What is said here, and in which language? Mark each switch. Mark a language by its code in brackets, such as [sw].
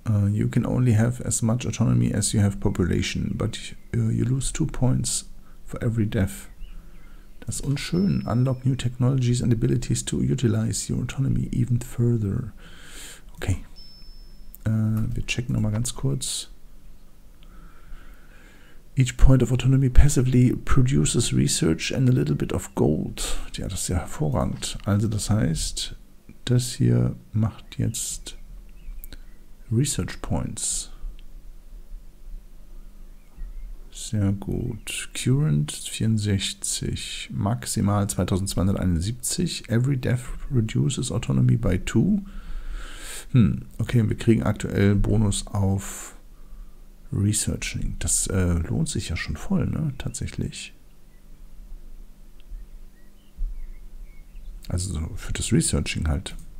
[en] you can only have as much autonomy as you have population. But you lose 2 points for every death. [de] Das ist unschön. [en] Unlock new technologies and abilities to utilize your autonomy even further. Okay. [de] Wir checken nochmal ganz kurz. [en] Each point of autonomy passively produces research and a little bit of gold. [de] Ja, das ist ja hervorragend. Also das heißt, das hier macht jetzt Research Points. Sehr gut. Current 64, maximal 2271. [en] Every death reduces autonomy by 2. [de] Okay, wir kriegen aktuell Bonus auf... Researching, das lohnt sich ja schon voll, ne, tatsächlich. Also so für das Researching halt.